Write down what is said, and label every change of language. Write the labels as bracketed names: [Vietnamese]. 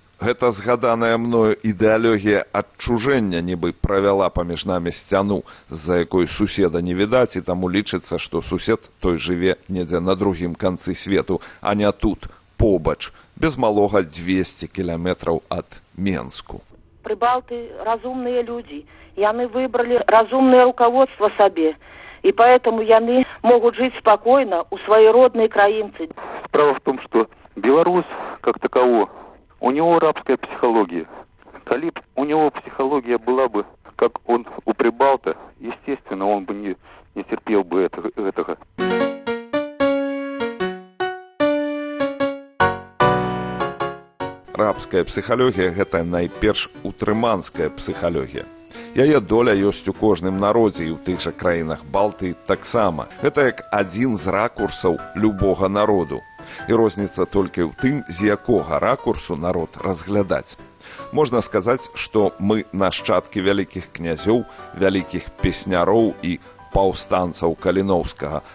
[Belarusian] Гэта згаданая мною ідэалогія адчужэння нібы правяла паміж намі сцяну, з-за якой суседа не відаць, і таму лічыцца, што сусед той жыве недзе на другім канцы свету, а не тут, побач, без малога 200 кіламетраў ад Менску. Прыбалты разумныя людзі, яны выбралі разумнае руководства сабе, і паэтому яны могуць жыць спакойна ў сваёй роднай краінцы. [Russian] Справа в том, што Беларусь, как таково, у него рабская психология. Калі б у него психология была бы, как он у Прибалта, естественно, он бы не терпел бы этого. [Belarusian] Рабская психология – это найперш утрыманская психология. Яе доля ёсць у кожным народзе і ў тых жа краінах Балтыі таксама. Гэта як адзін з ракурсаў любога народу. І розніца толькі ў тым, з якога ракурсу народ разглядаць. Можна сказаць, што мы нашчадкі вялікіх князёў, вялікіх песняроў і паўстанцаў Каліноўскага.